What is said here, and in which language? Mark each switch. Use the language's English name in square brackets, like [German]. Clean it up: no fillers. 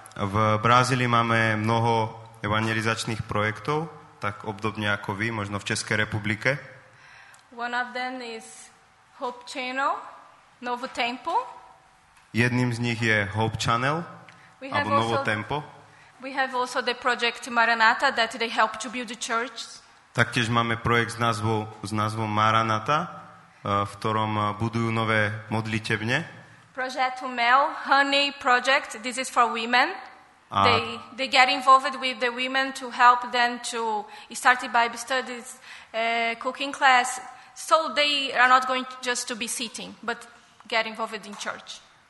[Slovak] V Brazílii máme mnoho evangelizačných projektov, tak obdobne ako vy, možno v Českej republike. [English] One of them is Hope Channel, Novo Tempo. [Slovak] Jedným z nich je Hope Channel, alebo Novo Tempo. [English] We have also the project Maranatha that they help to build the church. [Slovak] Taktiež máme projekt s názvom Maranatha, v ktorom budujú nové modlitevne. [English] Project Mel, Honey Project, this is for women. They get involved with the women to help them to start Bible studies, cooking class, so they are not going just to be sitting, but get involved in church.